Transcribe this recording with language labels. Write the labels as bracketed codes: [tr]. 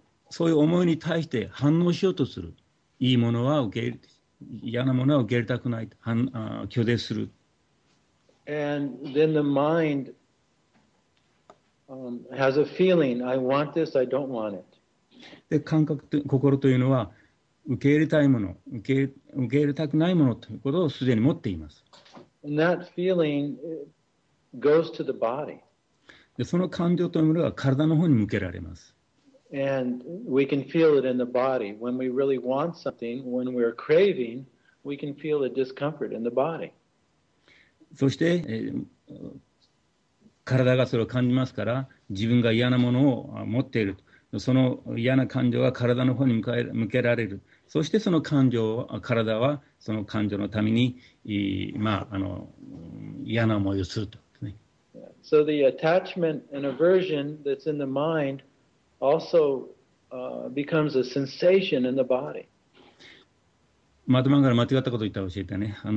[ja] そういう思いに対して反応しようとする。いいものは受け入れて、嫌なものは受け入れたくない。拒絶する。 [en] And then the mind, has a feeling, I want this, I don't want it. [ja] で、感覚と、心というのは、受け入れたいもの、受け入れたくないものということをすでに持っています。 [en] And that feeling goes to the body. [ja] で、その感情というものは体の方に向けられます。 [en] And we can feel it in the body. When we really want something, when we're craving, we can feel a discomfort in the body. [ja] そして、体がそれを感じますから、自分が嫌なものを持っていると。その嫌な感情が体の方に向けられる。そしてその感情、体はその感情のために、嫌な思いをすると。 [en] So the attachment and aversion that's in the mind also becomes a sensation in the body. [ja] マトマンから間違ったことを言ったら教えてね。